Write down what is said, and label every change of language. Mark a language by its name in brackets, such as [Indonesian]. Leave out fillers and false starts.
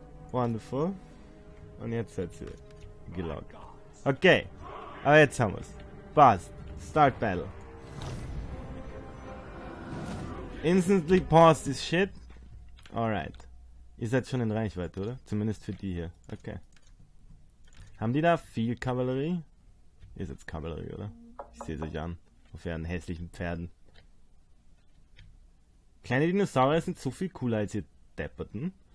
[German] Wonderful. Und jetzt hat sie gelockt. Okay, aber jetzt haben wir es. Passt. Start Battle. [English] Instantly pause this shit. Alright. [German] Ihr seid schon in Reichweite, oder? Zumindest für die hier. Okay. Haben die da viel Kavallerie? Ihr seid Kavallerie, oder? Ich sehe es euch an. Auf ihren hässlichen Pferden. Kleine Dinosaurier sind so viel cooler als ihr Depperten.